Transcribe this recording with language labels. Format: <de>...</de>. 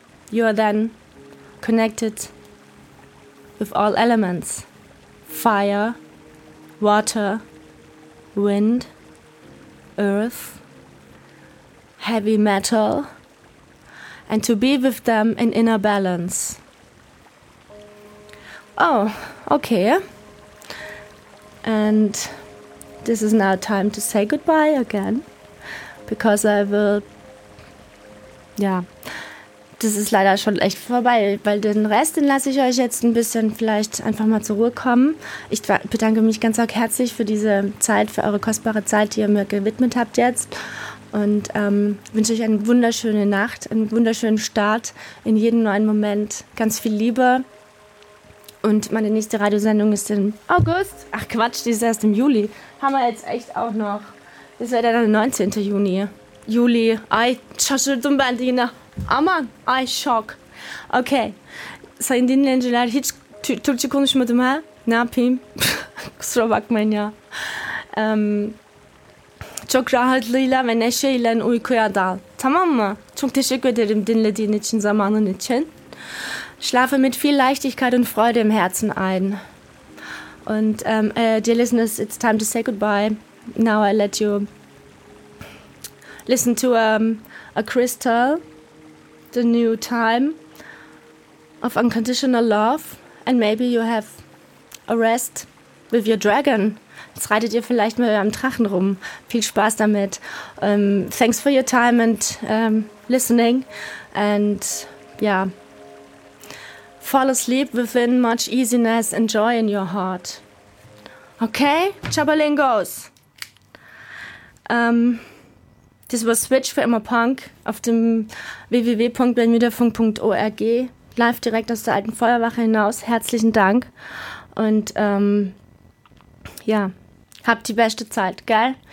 <en>You are then connected with all elements. Fire, water, wind, earth, heavy metal, and to be with them in inner balance. Oh, okay. And this is now time to say goodbye again, because I will, yeah,</en> <de>das ist leider schon echt vorbei, weil den Rest, den lasse ich euch jetzt ein bisschen vielleicht einfach mal zur Ruhe kommen. Ich bedanke mich ganz herzlich für diese Zeit, für eure kostbare Zeit, die ihr mir gewidmet habt jetzt, und wünsche euch eine wunderschöne Nacht, einen wunderschönen Start in jeden neuen Moment, ganz viel Liebe. Und meine nächste Radiosendung ist im August. Ach Quatsch, die ist erst im Juli. Haben wir jetzt echt auch noch. Das wäre dann der 19. Juni. Juli. Ei, tschaschel zum Bandina. Amma, ei, schock. Okay.</de> <tr>Sein din Angelar, hiç Türkçe konuşmadım ha? Ne yapayım? Kusura bakmayın ya. Çok rahatlığıyla ve neşeyle uykuya dal. Tamam mı? Çok teşekkür ederim dinlediğin için, zamanın için.</tr> <de>Schlafe mit viel Leichtigkeit und Freude im Herzen ein.</de> <en>Und dear listeners, it's time to say goodbye. Now I let you listen to a crystal, the new time of unconditional love. And maybe you have a rest with your dragon.</en> <de>Jetzt reitet ihr vielleicht mal am Drachen rum. Viel Spaß damit.</de> <en>Thanks for your time and listening. And yeah. Fall asleep within much easiness and joy in your heart. Okay? Chabalingos!</en> <de>Das war Switch für immer Punk auf dem www.bermudafunk.org. Live direkt aus der alten Feuerwache hinaus. Herzlichen Dank. Und ja, habt die beste Zeit, gell?</de>